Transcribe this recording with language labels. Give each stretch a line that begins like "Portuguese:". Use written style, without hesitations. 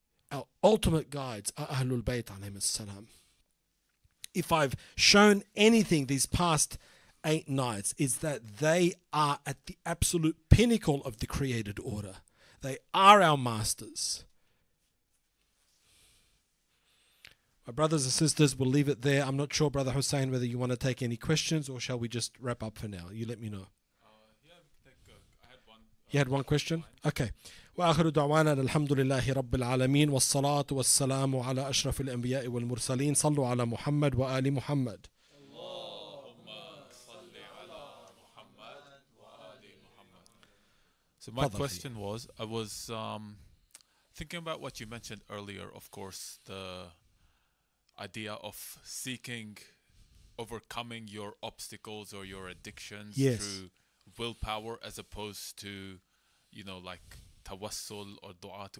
English: Our ultimate guides are Ahlul Bayt alayhi salam. If I've shown anything these past 8 nights, is that they are at the absolute pinnacle of the created order. They are our masters. My brothers and sisters, we'll leave it there. I'm not sure, Brother Hussein, whether you want to take any questions or shall we just wrap up for now? You let me know. You had one question? Okay.
Arabic: وآخر دعوانا الحمد لله رب العالمين والصلاة والسلام على أشرف الأنبياء والمرسلين صلوا على محمد وآل محمد. اللهم صل على محمد وآل محمد.
English: So my question was, I was thinking about what you mentioned earlier, of course, the idea of seeking, overcoming your obstacles or your addictions, yes, through willpower as opposed to, you know, like tawassul or dua to,